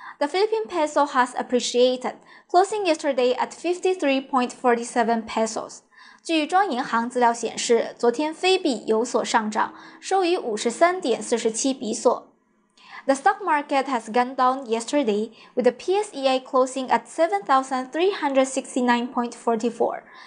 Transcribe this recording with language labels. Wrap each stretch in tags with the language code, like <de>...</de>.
<en>The Philippine peso has appreciated, closing yesterday at 53.47 pesos.</en> <zh>据中央银行资料显示，昨天菲币有所上涨，收于 53.47 比索。</zh> <en>The stock market has gone down yesterday, with the PSEI closing at 7,369.44.</en>